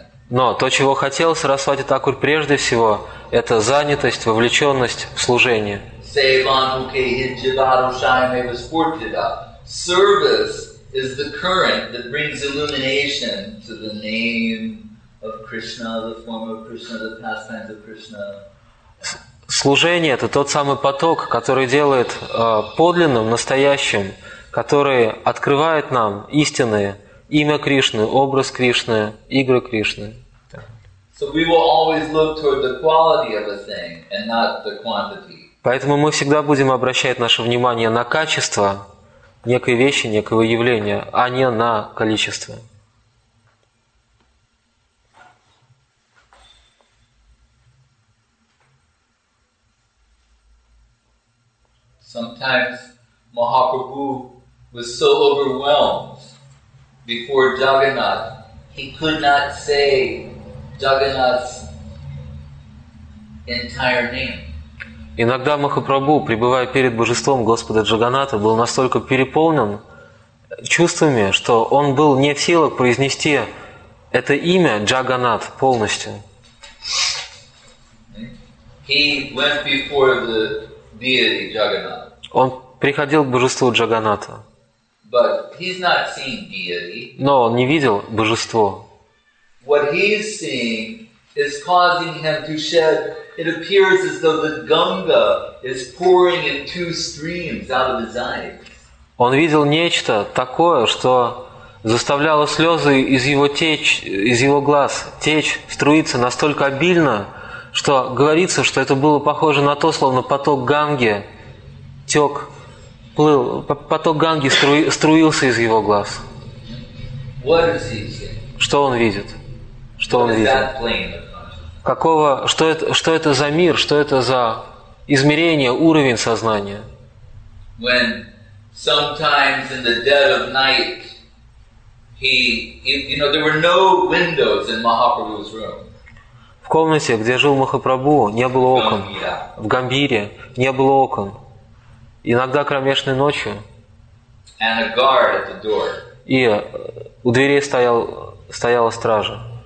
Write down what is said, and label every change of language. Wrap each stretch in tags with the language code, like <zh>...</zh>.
<ru>Но то, чего хотел Сарасвати Такур прежде всего, это занятость, вовлеченность в служение.</ru> <en>Service is the current that brings illumination to the name of Krishna, the form of Krishna, the pastimes of Krishna.</en> <ru>Служение – это тот самый поток, который делает подлинным, настоящим, который открывает нам истинное имя Кришны, образ Кришны, игры Кришны.</ru> <en>So we will always look toward the quality of a thing and not the quantity.</en> <ru>Поэтому мы всегда будем обращать наше внимание на качество некой вещи, некого явления, а не на количество.</ru> <en>Sometimes Mahaprabhu was so overwhelmed before Jagannath, he could not say Jagannath's entire name.</en> <ru>Иногда Махапрабху, пребывая перед божеством Господа Джаганнатха, был настолько переполнен чувствами, что он был не в силах произнести это имя Джаганнат полностью.</ru> <en>He went before the deity Jagannath.</en> <ru>Он приходил к божеству Джаганнатха.</ru> <en>But he's not seeing deity.</en> <ru>Но он не видел божество.</ru> <en>What he's seeing is causing him to shed. It appears as though the Ganga is pouring in two streams out of his eyes.</en> <ru>Он видел нечто такое, что заставляло слезы из его течь, из его глаз течь, струиться настолько обильно, что говорится, что это было похоже на то, словно поток Ганги тек, плыл, поток Ганги струился из его глаз.</ru> <en>What is he seeing?</en> <ru>Что он видит? Что</ru> <en>What</en> <ru>он видит?</ru> <en>That plane?</en> <ru>Какого, что это за мир, что это за измерение, уровень сознания?</ru> <en>When sometimes in the dead of night, he, there were no windows in Mahaprabhu's room.</en> <ru>В комнате, где жил Махапрабху, не было окон. В Гамбире не было окон. Иногда кромешной ночью.</ru> <en>And a guard at the door.</en> <ru>И у дверей стоял, стояла стража.</ru>